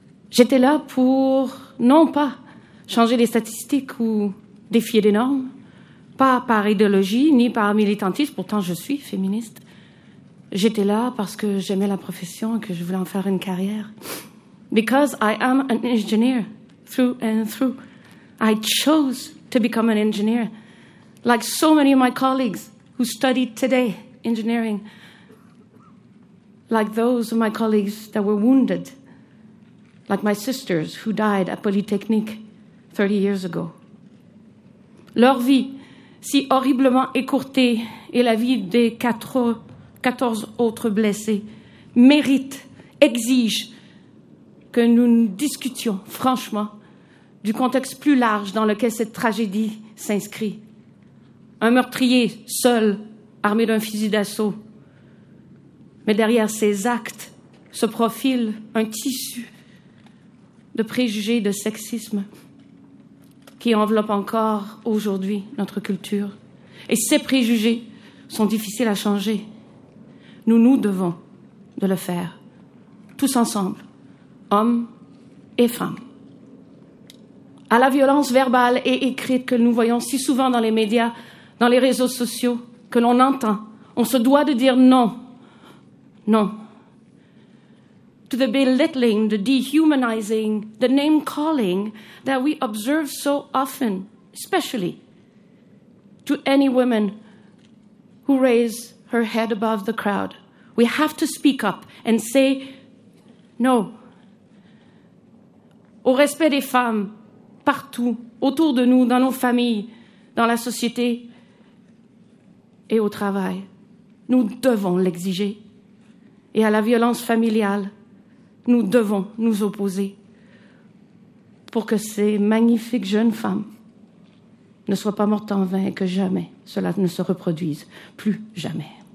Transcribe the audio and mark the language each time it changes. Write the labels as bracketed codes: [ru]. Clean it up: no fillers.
[fr] J'étais là pour, non pas changer les statistiques ou défier les normes, pas par idéologie ni par militantisme, pourtant je suis féministe. J'étais là parce que j'aimais la profession et que je voulais en faire une carrière. [en] Because I am an engineer through and through. I chose to become an engineer. Like so many of my colleagues who studied today engineering. Like those of my colleagues that were wounded. Like my sisters who died at Polytechnique 30 years ago. [fr] Leur vie, si horriblement écourtée, et la vie des 14 autres blessés méritent, exigent que nous discutions franchement du contexte plus large dans lequel cette tragédie s'inscrit. Un meurtrier seul, armé d'un fusil d'assaut. Mais derrière ces actes se profile un tissu de préjugés, de sexisme qui enveloppe encore aujourd'hui notre culture. Et ces préjugés sont difficiles à changer. Nous devons de le faire, tous ensemble, hommes et femmes. À la violence verbale et écrite que nous voyons si souvent dans les médias, dans les réseaux sociaux, que l'on entend, on se doit de dire non, non. [en] To the belittling, the dehumanizing, the name-calling that we observe so often, especially to any woman who raises her head above the crowd. We have to speak up and say no. [fr] Au respect des femmes, partout, autour de nous, dans nos familles, dans la société et au travail. Nous devons l'exiger. Et à la violence familiale, nous devons nous opposer pour que ces magnifiques jeunes femmes ne soient pas mortes en vain et que jamais cela ne se reproduise, plus jamais.